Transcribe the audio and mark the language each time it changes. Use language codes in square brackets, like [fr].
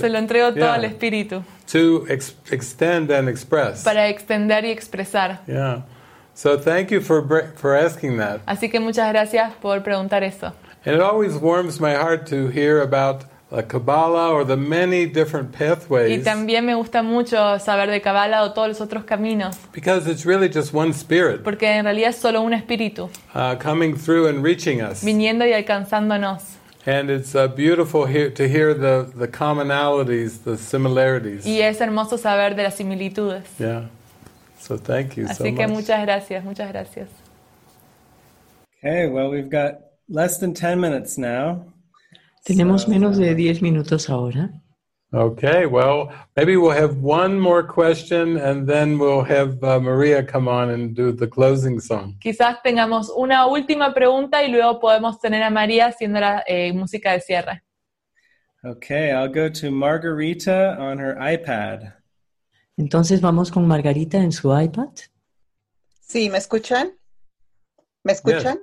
[es] Se lo entrego todo al espíritu. [en] To extend and express. [es] Para extender y expresar. [en] Yeah. So thank you for asking that. [es] Así que muchas gracias por preguntar eso. [en] And it always warms my heart to hear about the Kabbalah or the many different pathways. [es] Y también me gusta mucho saber de Kabbalah o todos los otros caminos. [en] Because it's really just one spirit. [es] Porque en realidad es solo un espíritu. [en] Coming through and reaching us. [es] Viniendo y alcanzándonos. [en] And it's beautiful to hear the commonalities, the similarities. [es] Y es hermoso saber de las similitudes. [en] Yeah. So thank you so much. [es] Así que muchas gracias, muchas gracias. [en] Okay, well we've got less than 10 minutes now. [es] Tenemos menos de 10 minutos ahora. [en] Okay, well, maybe we'll have one more question and then we'll have Maria come on and do the closing song. [es] Quizás tengamos una última pregunta y luego podemos tener a María haciendo la música de cierre. [en] Okay, I'll go to Margarita on her iPad. [es] Entonces vamos con Margarita en su iPad. Sí, ¿me escuchan? ¿Me escuchan?